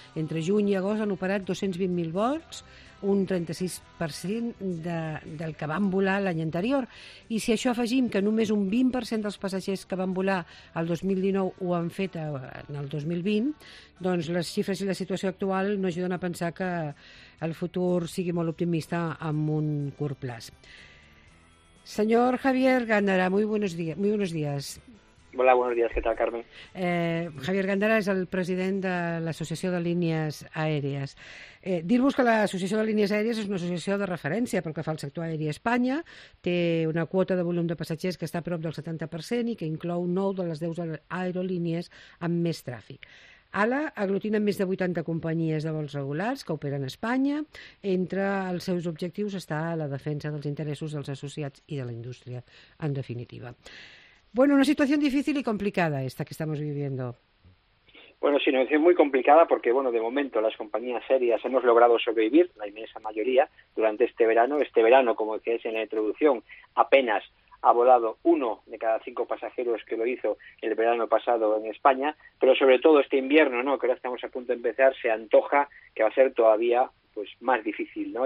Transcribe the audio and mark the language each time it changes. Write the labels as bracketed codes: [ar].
[ca] Entre juny i agost han operat 220.000 vols, un 36% del que van volar l'any anterior. I si això afegim que només un 20% dels passatgers que van volar el 2019 ho han fet en el 2020, doncs les xifres i la situació actual no ajuden a pensar que el futur sigui molt optimista en un curt plaç. [es] Senyor Javier Gándara, muy buenos días. Hola, buenos días. ¿Qué tal, Carmen? [ca] Javier Gándara és el president de l'Associació de Línies Aèries. Dir-vos que l'Associació de Línies Aèries és una associació de referència pel que fa al sector aèri a Espanya. Té una quota de volum de passatgers que està a prop del 70% i que inclou 9 de les 10 aerolínies amb més tràfic. ALA aglutina més de 80 companyies de vols regulars que operen a Espanya. Entre els seus objectius està la defensa dels interessos dels associats i de la indústria, en definitiva. [es] Bueno, una situación difícil y complicada esta que estamos viviendo. Bueno, sí, es muy complicada porque, bueno, de momento las compañías aéreas hemos logrado sobrevivir, la inmensa mayoría, durante este verano. Este verano, como decías en la introducción, apenas ha volado uno de cada 5 pasajeros que lo hizo el verano pasado en España, pero sobre todo este invierno, ¿no?, que ahora estamos a punto de empezar, se antoja que va a ser todavía pues más difícil, ¿no?